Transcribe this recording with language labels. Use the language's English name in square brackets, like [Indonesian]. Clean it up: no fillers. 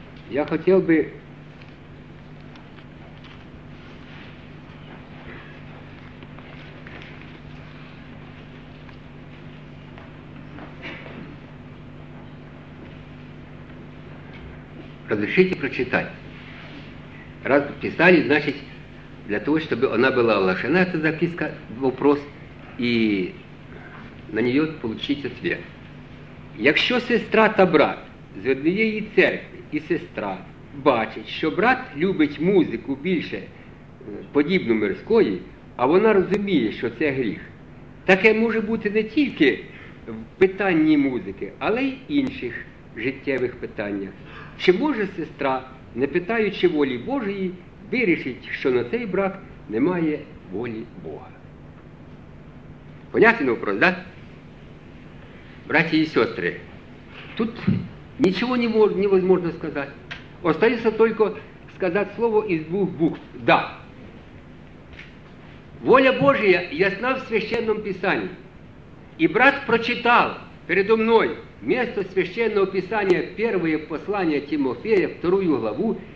[Russian] Я хотел бы разрешите прочитать. Раз писали, значит, для того, чтобы она была оглашена, эта записка, вопрос, и на нее получить ответ. [Ukrainian] Якщо сестра та брат з однієї церкви, і сестра бачить, що брат любить музику більше подібну мирської, а вона розуміє, що це гріх, таке може бути не тільки в питанні музики, але й інших життєвих питаннях. Чи може сестра, не питаючи волі Божої, вирішить, що на цей брак немає волі Бога? [Russian] Понятен вопрос, так? Братья и сестры, тут ничего невозможно сказать. Остается только сказать слово из двух букв. Да. Воля Божия ясна в Священном Писании. И брат прочитал передо мной место Священного Писания, первое послание Тимофея, вторую главу.